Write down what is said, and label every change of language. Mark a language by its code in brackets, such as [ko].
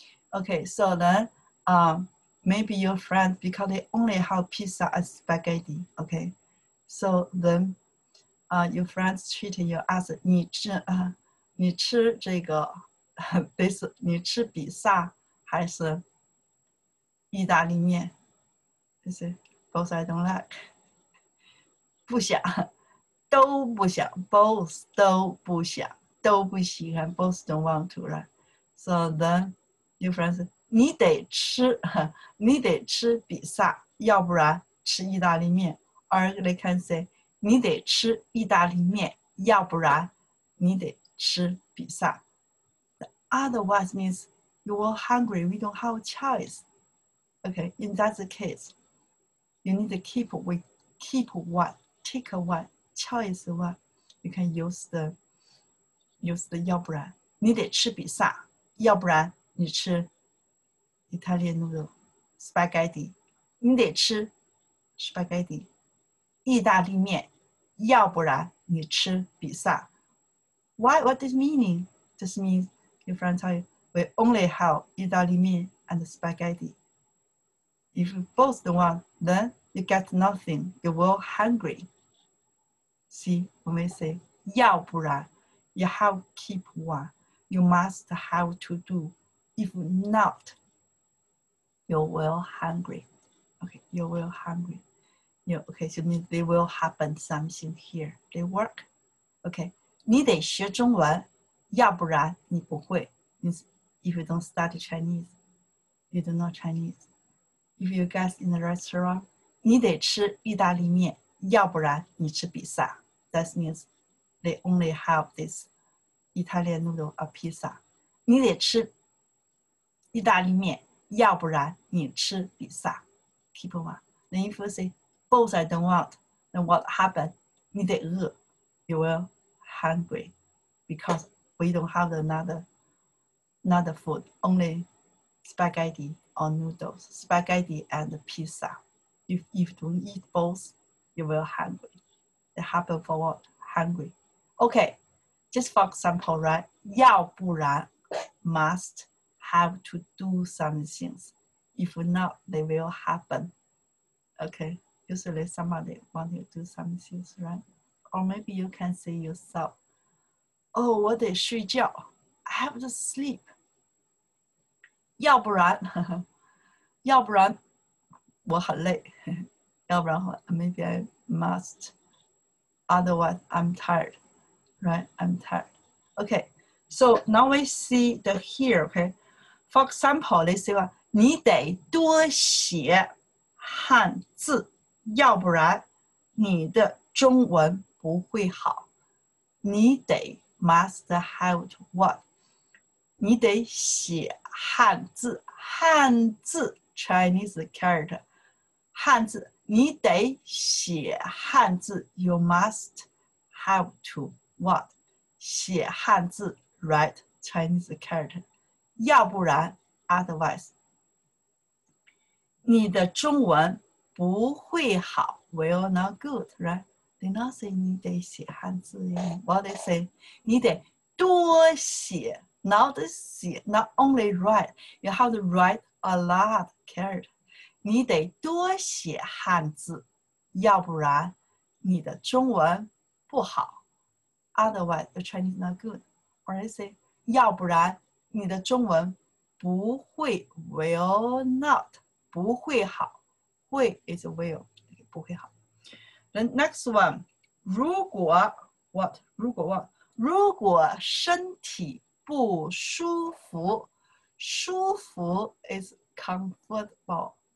[en] Okay, so then, maybe your friends, because they only have pizza and spaghetti, okay? So then, your friends treat you as, [zh] 你吃这个, [en] this, [zh] 你吃比萨, 还是意大利面? [en] You see, both I don't like. [zh] 不想, 都不想, both 都不想, 都不喜欢, [en] both don't want to, right? So the new phrase, [zh] 你得吃比萨,要不然吃意大利面. [en] Or they can say, [zh] 你得吃意大利面,要不然你得吃比萨. [en] Otherwise means you're hungry, we don't have a choice. Okay, in that case, you need to keep one, take one, choice one. [zh] You can use the 要不然, 你得吃比萨, 要不然你吃 [en] Italian noodle, [zh] spaghetti, 你得吃 spaghetti, 意大利面, 要不然你吃比萨. [en] Why, what does it mean? Just means, your friend tell you, we only have 意大利面 and spaghetti. If you both don't want, then you get nothing. You will hungry. See, when we say, 要不然, you have to keep one. You must have to do. If not, you will hungry. Okay, you will hungry. You, okay, so means there will happen something here. They work. [zh] Okay, 你得学中文, 要不然你不会. [en] Means if you don't study Chinese, you don't know Chinese. If you guys in the restaurant, [zh] 你得吃意大利面, 要不然你吃比萨. [en] That means they only have this Italian noodle or pizza. [zh] 你得吃意大利面, 要不然你吃比萨. [en] Keep on. Then if you say, both I don't want, then what happened? [zh] 你得饿, [en] you will hungry because we don't have another food, only spaghetti or noodles, spaghetti and pizza. If you don't eat both, you will hungry. It happened for what? Hungry. Okay, just for example, right? 要不然, must have to do some things. If not, they will happen. Okay, usually somebody want you to do some things, right? Or maybe you can say yourself, oh, [zh] 我得睡觉, [en] I have to sleep. [zh] 要不然, 要不然, 我很累, 要不然, [en] maybe I must, otherwise I'm tired, right? I'm tired. Okay, so now we see the here, okay? For example, they say, [zh] 你得多写汉字, 要不然你的中文不会好. [en] 你得, must have to what? [zh] 你得写汉字, 汉字, [en] Chinese character, [zh] 汉字, 你得写汉字, [en] you must have to what? [zh] 写汉字, [en] write Chinese character, 要不然, otherwise, [zh] 你的中文不会好, [en] will not good, right? They not say [zh] 你得写汉字, [en] what they say, [zh] 你得多写, [en] not see, not only write, you have to write a lot character. [zh] 你得多写汉字, 要不然你的中文不好, [en] otherwise the Chinese not good. Or they say, [zh] 要不然你的中文不会, [en] will not, [zh] 不会好, 会 [en] is will, [zh] 不会好. [en] Then next one, 如果, what, 如果 what, [zh] 如果身体, 不舒服, [en] 舒服 is comfortable.